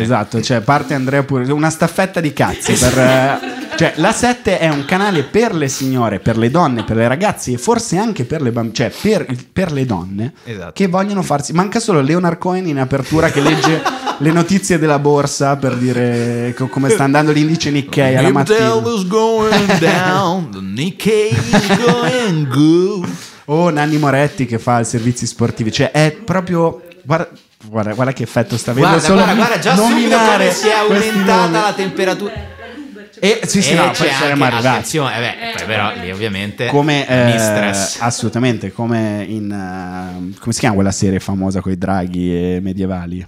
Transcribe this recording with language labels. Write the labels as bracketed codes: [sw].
[it] Esatto, cioè parte Andrea pure, una staffetta di cazzi per... Cioè, la 7 è un canale per le signore, per le donne, per le ragazze e forse anche per le bambine, cioè per le donne, esatto, che vogliono farsi... Manca solo Leonard Cohen in apertura che legge le notizie della borsa per dire come sta andando l'indice Nikkei alla mattina. [en] The Nikkei is going down, the Nikkei is going good. [it] O Nanni Moretti che fa i servizi sportivi, cioè è proprio... Guarda che effetto sta avendo. Guarda, solo guarda, già subito come si è aumentata la temperatura... E sì, sì, no, poi saremo arrivati. Poi però lì ovviamente come assolutamente come in come si chiama quella serie famosa con i draghi e medievali?